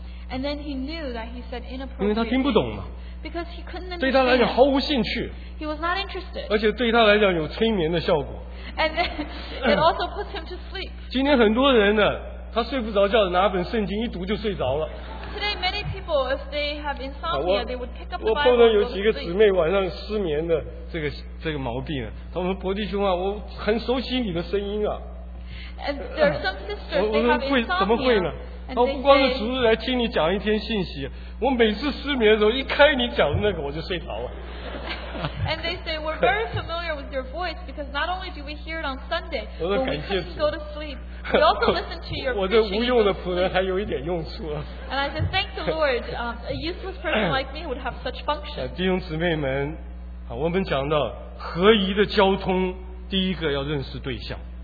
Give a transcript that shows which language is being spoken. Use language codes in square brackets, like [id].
[en] And then he knew that he said inappropriate. [zh] 因为他听不懂嘛。 [en] Because he couldn't understand. [zh] 对他来讲毫无兴趣。 [en] He was not interested. [zh] 而且对他来讲有催眠的效果。 [en] And then it also puts him to sleep. [zh] 今天很多人呢，他睡不着觉，拿本圣经一读就睡着了。 [en] Today, many people, if they have insomnia, they would pick up the Bible. [zh] 我碰到有几个姊妹晚上失眠的这个毛病啊，他们伯弟兄啊，我很熟悉你的声音啊。 [en] And there are some sisters they have insomnia. [zh] 怎么会呢？我不光是主日来听你讲一天信息， 我每次失眠的时候一开你讲的那个我就睡着了。 [en] And they say, we're very familiar with your voice because not only do we hear it on Sunday, but we can go to sleep. We also listen to your preaching. [zh] 我这无用的仆人还有一点用处。 [en] And I said, thank the Lord, a useless person like me would have such function. [zh] 弟兄姊妹们，我们讲到合宜的交通，第一个要认识对象。